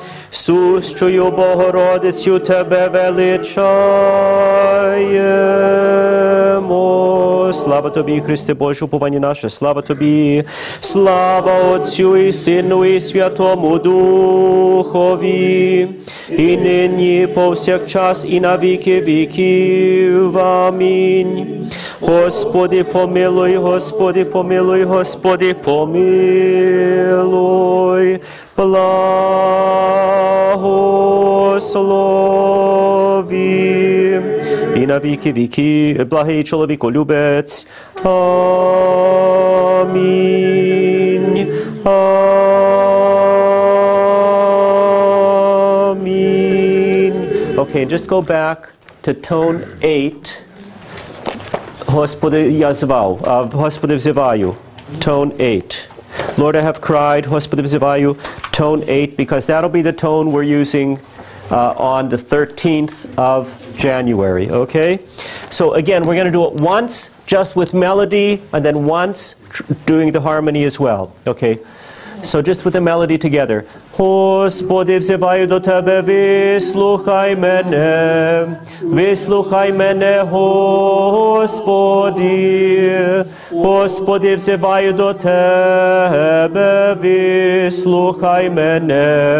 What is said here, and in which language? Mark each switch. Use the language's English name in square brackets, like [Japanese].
[Ukrainian] Сущую Богородицю Тебе величаємо. Слава Тобі, Христе Боже, упування наше, слава Тобі. Слава Отцю і Сину і Святому Духові, і нині, повсякчас, і на віки віків. Амінь. Господи, помилуй, Господи, помилуй, Господи, помилуй. Благослови і на віки віки, благий чоловіко любець. Амінь. Амінь. [English] Okay, just go back to tone 8. [Ukrainian] Господи, я звав, Господи, взиваю. [English] Tone 8. Lord, I have cried, Hospod vzivaju, tone 8, because that'll be the tone we're using on the 13th of January, okay? So again, we're going to do it once, just with melody, and then once doing the harmony as well, okay? So just with the melody together. [Ukrainian] Господи, взиваю до тебе, вислухай мене. Вислухай мене, Господи. Господи, взиваю до тебе, вислухай мене.